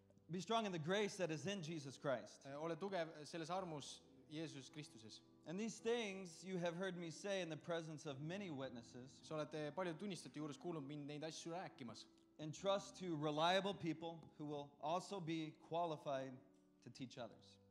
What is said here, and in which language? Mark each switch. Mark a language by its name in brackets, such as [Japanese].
[English] Be strong in the grace that is in Jesus Christ. [Estonian] Ole tugev selles armus Jeesus Kristuses. [English] And these things you have heard me say in the presence of many witnesses. [Estonian] Sa olete palju tunnistajate juures kuulnud mind neid asju rääkimas. [English] And trust to reliable people who will also be qualified to teach others.